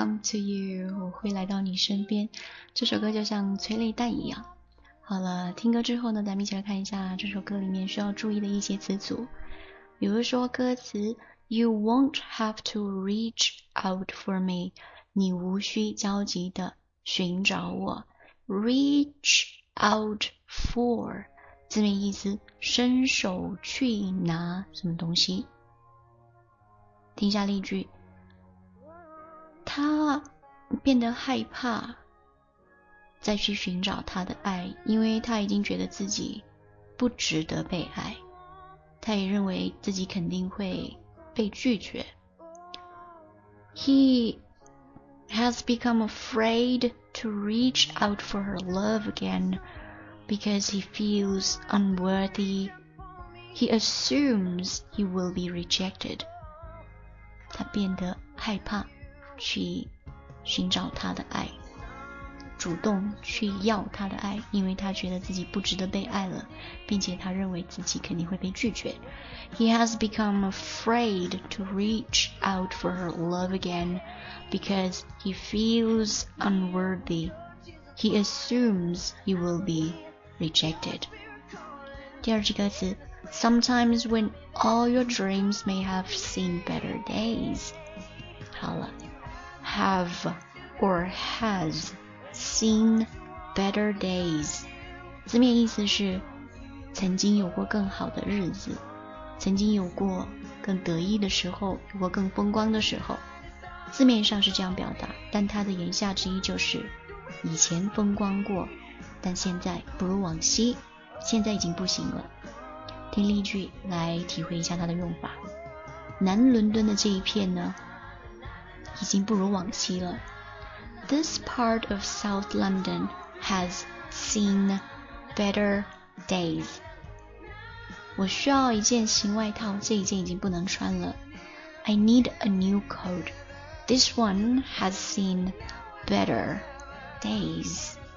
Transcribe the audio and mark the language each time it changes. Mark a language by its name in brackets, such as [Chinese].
[English] To you， [Chinese] 我会来到你身边，这首歌就像催泪弹一样。好了，听歌之后呢，咱们一起来看一下这首歌里面需要注意的一些词组。比如说歌词 [English] You won't have to reach out for me， [Chinese] 你无需焦急地寻找我。 Reach out for 字面意思伸手去拿什么东西。听一下例句，他变得害怕再去寻找他的爱，因为他已经觉得自己不值得被爱，他也认为自己肯定会被拒绝。 [English] He has become afraid to reach out for her love again because he feels unworthy. He assumes he will be rejected. [Chinese] 他变得害怕去寻找他的爱，主动去要他的爱，因为他觉得自己不值得被爱了，并且他认为自己肯定会被拒绝。 [English] He has become afraid to reach out for her love again because he feels unworthy. He assumes he will be rejected. [Chinese] 第二句歌词， [English] Sometimes when all your dreams may have seen better days. [Chinese] 好了， [English] Have or hasSeen better days， [Chinese] 字面意思是曾经有过更好的日子，曾经有过更得意的时候，有过更风光的时候，字面上是这样表达，但它的言下之意就是以前风光过，但现在不如往昔，现在已经不行了。听例句来体会一下它的用法。南伦敦的这一片呢，已经不如往昔了。 [English] This part of South London has seen better days. [Chinese] 我需要一件新外套，这一件已经不能穿了。 [English] I need a new coat. This one has seen better days.